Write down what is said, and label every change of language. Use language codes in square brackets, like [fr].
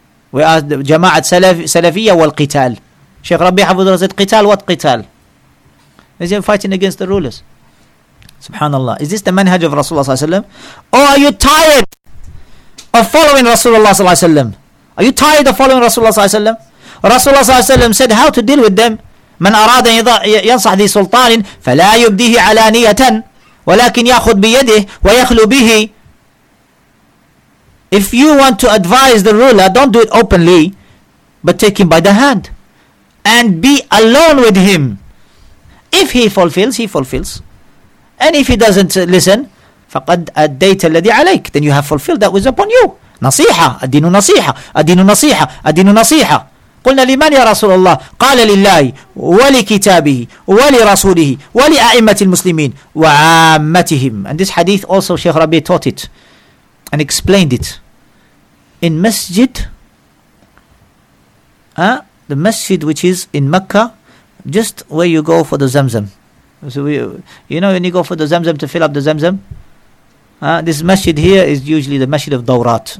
[en] We are the jama'at salafiyya wal qital. Sheikh Rabbi Hafidhullah said, qital, what qital? They said, fighting against the rulers. Subhanallah. Is this the manhaj of Rasulullah sallallahu alayhi wa sallam? Or are you tired of following Rasulullah sallallahu alayhi wa sallam? Are you tired of following Rasulullah sallallahu alayhi wa sallam? Rasulullah sallallahu alayhi wa sallam said how to deal with them. [ar] من أراد ينصح ذي سلطان فلا يبديه علانية ولكن يأخذ بيده ويخلو به. [en] If you want to advise the ruler, don't do it openly, but take him by the hand. And be alone with him. If he fulfills, he fulfills. And if he doesn't listen, [ar] فَقَدْ أَدَّيْتَ الَّذِي عَلَيْكَ. [en] Then you have fulfilled that which is upon you. [ar] نصيحة. الدين نصيحة. الدين نصيحة. الدين نصيحة. قلنا لمن يا رسول الله؟ قال لله ولكتابه ولرسوله ولأئمة المسلمين وعامتهم. [en] And this hadith also Sheikh Rabbi taught it and explained it. In masjid, the masjid which is in Mecca, just where you go for the zamzam. So you know when you go for the zamzam to fill up the zamzam? This masjid here is usually the masjid of Dawrat.